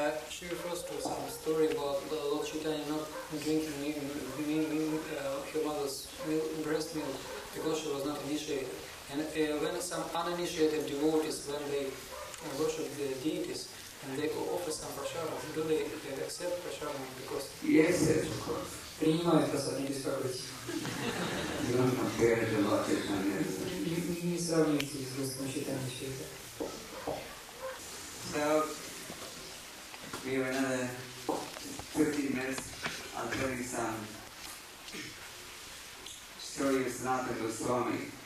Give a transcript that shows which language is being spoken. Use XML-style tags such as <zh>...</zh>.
<en>She refers to some story about Lord Chaitanya not drinking her mother's breast milk because she was not initiated. And when some uninitiated devotees, when they worship the deities and they offer some prasadam, do they accept prasadam? Because yes, of course.</en> <ru>Принимают прасадам, не беспокойтесь.</ru> <en>You don't compare to Lord Chaitanya.</en> <ru>Не сравните с Lord Chaitanya все это.</ru> <en>We have another 15 minutes. I'll tell you some story of Sanatana Goswami.</en>